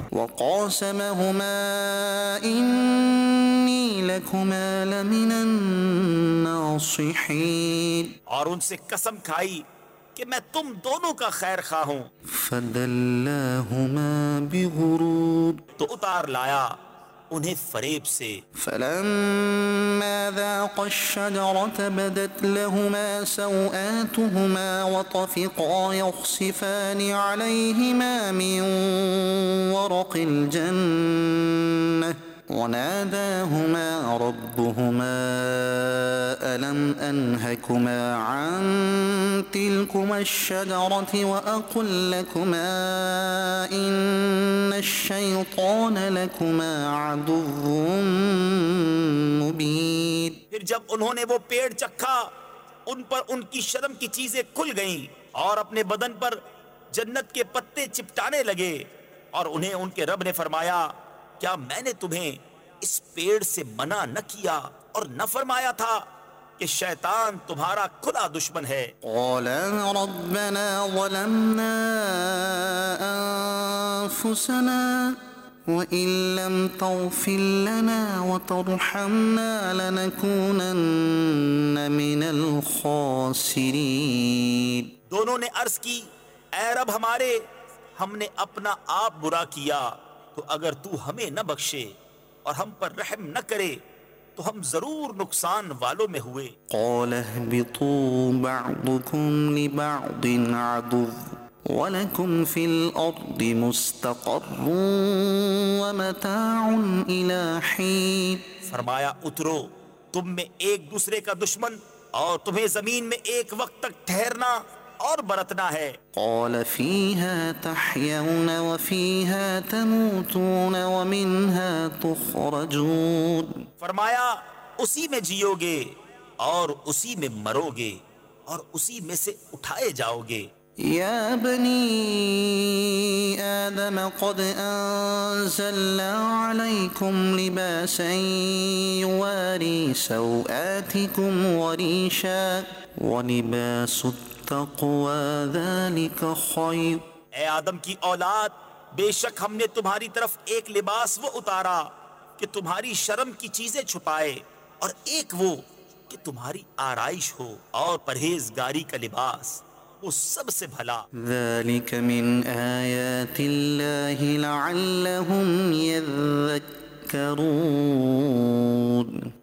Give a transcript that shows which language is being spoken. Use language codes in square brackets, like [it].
[ar] وقاسمهما انی لکما لمن الناصحین [ur] اور ان سے قسم کھائی کہ میں تم دونوں کا خیر خواہ ہوں [ar] فدلاهما بغرور [ur] تو اتار لایا انہیں فریب سے [ar] فلما ذاق الشجرة بدت لهما سوآتهما وطفقا يخصفان عليهما من ورق الجنة وناداهما ربهما ألم أنهكما عن تلكما الشجرة وأقل لكما إن الشيطان لكما عدو مبين [ur] پھر جب انہوں نے وہ پیڑ چکھا ان پر ان کی شرم کی چیزیں کھل گئیں اور اپنے بدن پر جنت کے پتے چپٹانے لگے اور انہیں ان کے رب نے فرمایا کیا میں نے تمہیں اس پیڑ سے منع نہ کیا اور نہ فرمایا تھا کہ شیطان تمہارا کھلا دشمن ہے [ar] قال ربنا ظلمنا انفسنا وإن لم تغفر لنا وترحمنا لنكونن من الخاسرين [ur] دونوں نے عرض کی اے رب ہمارے ہم نے اپنا آپ برا کیا تو اگر تو ہمیں نہ بخشے اور ہم پر رحم نہ کرے تو ہم ضرور نقصان والوں میں ہوئے [ar] قال اهبطوا بعضكم لبعض عدو ولكم في الارض مستقر ومتاع الى حين [ur] فرمایا اترو تم میں ایک دوسرے کا دشمن اور تمہیں زمین میں ایک وقت تک ٹھہرنا اور برتنا ہے [ar] قال فيها تحيون وفيها تموتون ومنها تخرجون [ur] فرمایا اسی میں جیو گے اور اسی میں مرو گے اور اسی میں سے اٹھائے جاؤ گے [ar] یا بنی آدم قد انزلنا علیکم لباسا یواری سوآتکم وریشا ولباس تقوی ذلک خیر [ur] اے آدم کی اولاد بے شک ہم نے تمہاری طرف ایک لباس وہ اتارا کہ تمہاری شرم کی چیزیں چھپائے اور ایک وہ کہ تمہاری آرائش ہو اور پرہیزگاری کا لباس کو سب سے بھلا. [ar] ذَلِكَ مِنْ آيَاتِ اللَّهِ لَعَلَّهُمْ يَذَّكَّرُونَ.